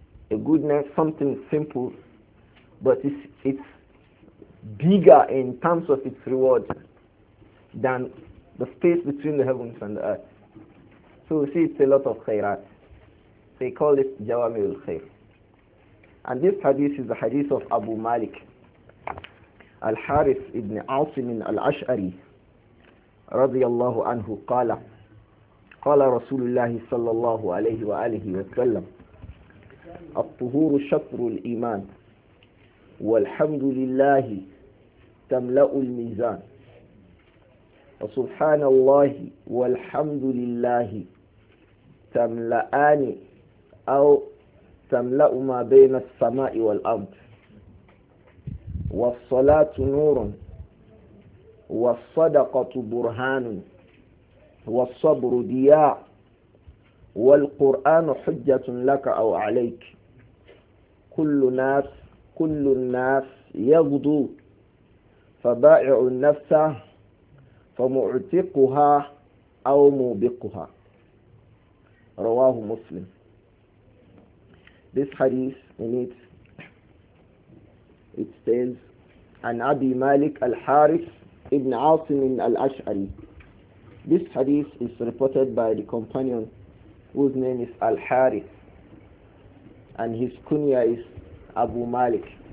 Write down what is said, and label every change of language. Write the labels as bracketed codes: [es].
[en] A goodness, something simple, but it's bigger in terms of its reward than the space between the heavens and the earth. So we see it's a lot of khairat. They call it Jawami'ul Khair. And this hadith is the hadith of Abu Malik Al-Harith ibn Asim al-Ash'ari [ar] رضي الله عنه قال قال رسول الله صلى الله عليه وآله وسلم الطهور شطر الإيمان والحمد لله تملأ الميزان وسبحان الله والحمد لله تملأان أو تملأ ما بين السماء والأرض والصلاة نور والصدقة برهان والصبر ضياء والقرآن حجة لك أو عليك كل الناس يغدو فبائع النفس فمعتقها أو موبقها رواه مسلم. [en] This hadith in it says [ar] عن أبي مالك الحارث [en] Ibn Asim al-Ash'ari. This hadith is reported by the companion whose name is Al-Harith and his kunya is Abu Malik.